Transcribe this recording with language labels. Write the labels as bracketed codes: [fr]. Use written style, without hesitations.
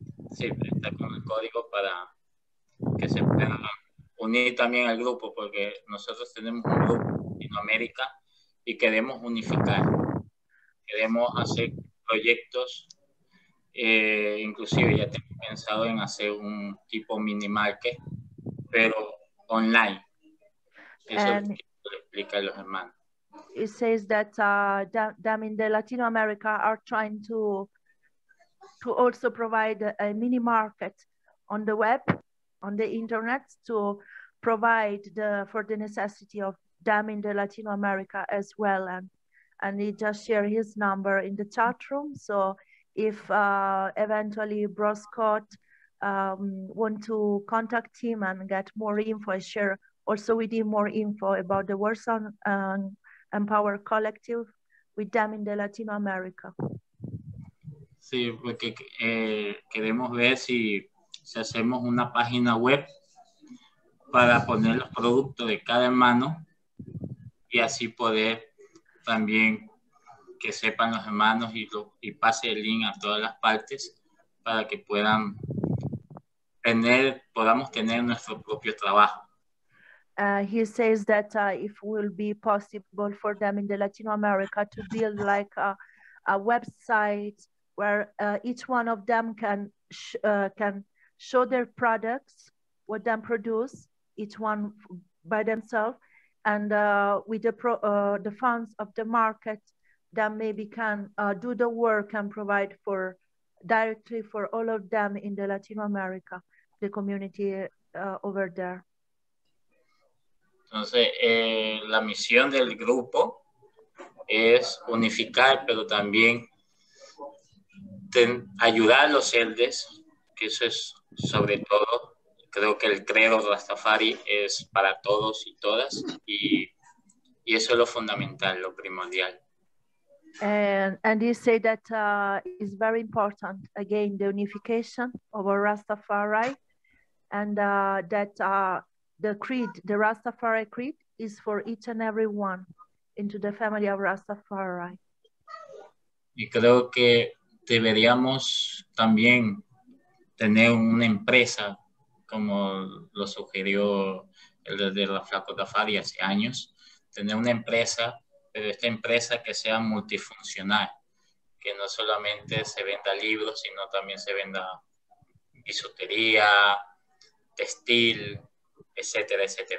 [es] Sí, está con el código para que se puedan unir también al grupo, porque nosotros tenemos un grupo en Latinoamérica y queremos unificar. Queremos hacer proyectos. Inclusive ya tengo pensado en hacer un tipo mini market, pero online. Eso es lo que quiero explicar a los hermanos. [en] It says that them in the Latin America are trying to also provide a mini market on the web, on the internet, to provide the for the necessity of them in the Latin America as well. And he just shared his number in the chat room. So if eventually Bro Scott want to contact him and get more info, share also with him more info about the works on Empower Collective with them in the Latin America. [es] Sí, porque queremos ver si, si hacemos una página web para poner los productos de cada hermano y así poder también que sepan los hermanos y, lo, y pase el link a todas las partes para que puedan tener, podamos tener nuestro propio trabajo. [en] He says that if it will be possible for them in the Latin America to build like a website where each one of them can show their products, what them produce, each one by themselves, and with the pro, the funds of the market, them maybe can do the work and provide for directly for all of them in the Latin America, the community over there. [es] Entonces, la misión del grupo es unificar, pero también ayudar a los elders, que eso es sobre todo, creo que el credo Rastafari es para todos y todas, y eso es lo fundamental, lo primordial. [en] And you say that it's very important, again, the unification of our Rastafari, and that... the creed, the Rastafari creed, is for each and every one into the family of Rastafari. [es] Y creo que deberíamos también tener una empresa, como lo sugirió el de la Rastafari hace años, tener una empresa, pero esta empresa que sea multifuncional, que no solamente se venda libros, sino también se venda bisutería, textil, etcétera.